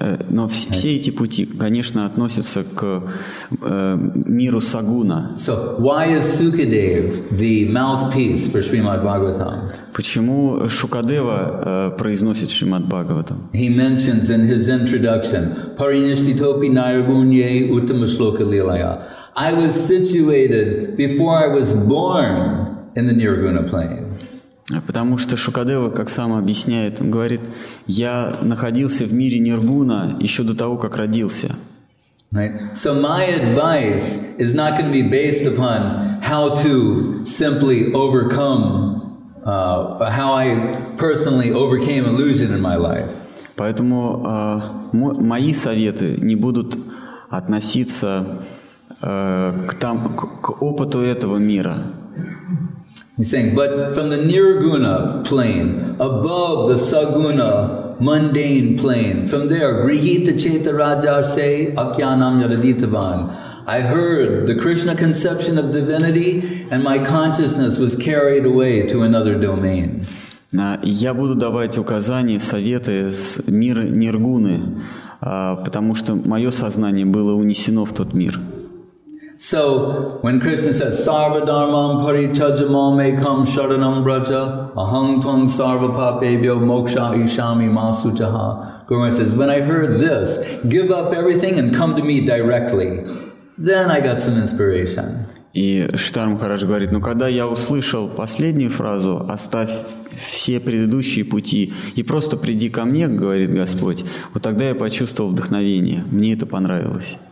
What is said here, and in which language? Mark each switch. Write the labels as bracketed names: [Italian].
[Russian] Но все эти пути, конечно, относятся к миру сагуна. [English] So why is Sukadev the mouthpiece for Srimad Bhagavatam? [Russian] Почему Шукадева произносит Шримад Бхагаватам? [English] He mentions in his introduction, [Sanskrit] Parinishthitopi Nairgunye Uttama Shloka Lilaya. [English] I was situated before I was born in the Nirguna plane. [Russian] Потому что Шукадева, как сам объясняет, он говорит, я находился в мире Ниргуна еще до того, как родился. [English] Right. So my advice is not going to be based upon how to simply overcome, how I personally overcame illusion in my life. [Russian] Поэтому мои советы не будут относиться к опыту этого мира. [English] He's saying, but from the nirguna plane, above the saguna mundane plane, from there, [Sanskrit] grihita cheta rajarse akyanam yadaditavan, [English] I heard the Krishna conception of divinity and my consciousness was carried away to another domain. [Russian] Я буду давать указания, советы с мира ниргуны, потому что мое сознание было унесено в тот мир. [English] So when Krishna says [Sanskrit] sarva dharmam parityajamame kam sharanam braja ahang tong sarva papebyo moksha ishami masutaha, [English] Gurumaya says, when I heard this, give up everything and come to me directly, then I got some inspiration. [Russian] И Шитар Махарадж говорит, ну когда я услышал последнюю фразу, оставь все предыдущие пути и просто приди ко мне, говорит Господь, вот тогда я почувствовал вдохновение, мне это понравилось.